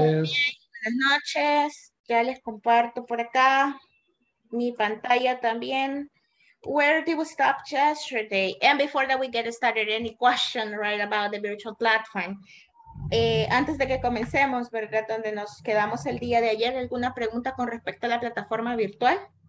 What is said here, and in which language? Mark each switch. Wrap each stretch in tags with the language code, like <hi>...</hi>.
<es>Buenas noches, ya les comparto por acá mi pantalla también.</es> <en>Where did we stop yesterday? And before that we get started, any question right about the virtual platform?</en> <es>Antes de que comencemos, ¿verdad? Donde nos quedamos el día de ayer, ¿alguna pregunta con respecto a la plataforma virtual?</es>